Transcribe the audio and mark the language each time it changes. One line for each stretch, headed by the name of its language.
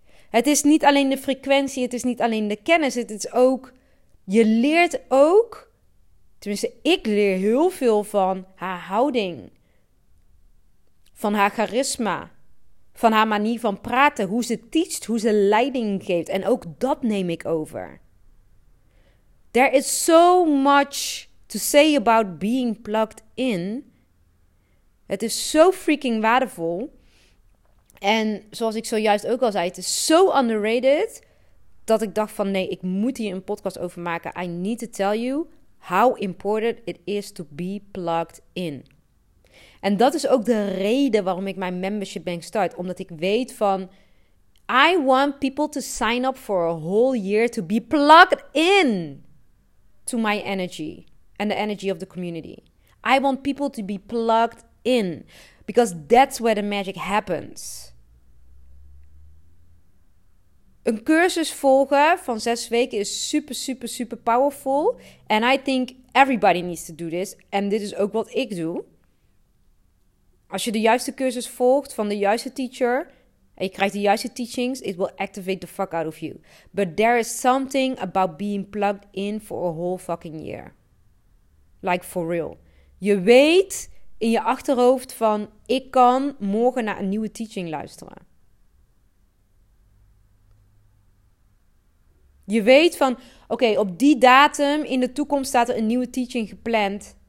Dutch: Het is niet alleen de frequentie, het is niet alleen de kennis, het is ook, je leert ook, tenminste ik leer heel veel van haar houding, van haar charisma, van haar manier van praten, hoe ze teacht, hoe ze leiding geeft. En ook dat neem ik over.
English: There is so much to say about being plugged in.
Dutch: Het is zo freaking waardevol. En zoals ik zojuist ook al zei, het is zo underrated, dat ik dacht van nee, ik moet hier een podcast over maken.
English: I need to tell you how important it is to be plugged in.
Dutch: En dat is ook de reden waarom ik mijn membership ben gestart. Omdat ik weet van,
English: I want people to sign up for a whole year to be plugged in to my energy and the energy of the community. I want people to be plugged in because that's where the magic happens.
Dutch: Een cursus volgen van 6 weken is super, super, super powerful.
English: And I think everybody needs to do this.
Dutch: En dit is ook wat ik doe. Als je de juiste cursus volgt van de juiste teacher, en je krijgt de juiste teachings,
English: it will activate the fuck out of you. But there is something about being plugged in for a whole fucking year. Like, for real.
Dutch: Je weet in je achterhoofd van, ik kan morgen naar een nieuwe teaching luisteren. Je weet van, oké, op die datum in de toekomst staat er een nieuwe teaching gepland.